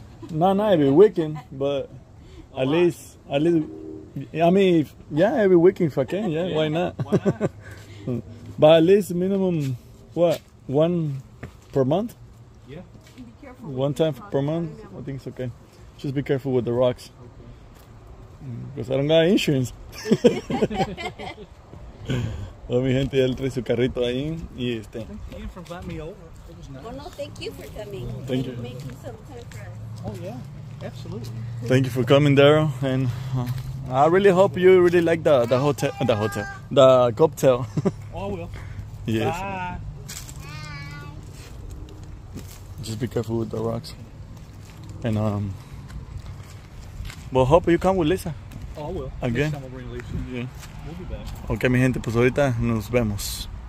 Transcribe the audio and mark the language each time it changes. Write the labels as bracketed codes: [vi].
[en] No, not every weekend, but at least. I mean, yeah, every weekend if I can, yeah, why not? But at least minimum, what, one per month? Yeah. Be careful. One time per month? I think it's okay. Just be careful with the rocks. Because okay. I don't got insurance. [es] Bueno, mi gente, él trae su carrito ahí y [en] Thank you for inviting me over. Well, no, thank you for coming. Thank you. Making some time for us. Oh, yeah, absolutely. Thank you for coming, Daryl, and... I really hope you really like the hotel, the cocktail. Oh, I will. Yes. Bye. Just be careful with the rocks. And, well, hope you come with Lisa. Oh, I will. Again. Next time I'll bring Lisa. Yeah. We'll be back. Okay, [es] mi gente, pues ahorita nos vemos.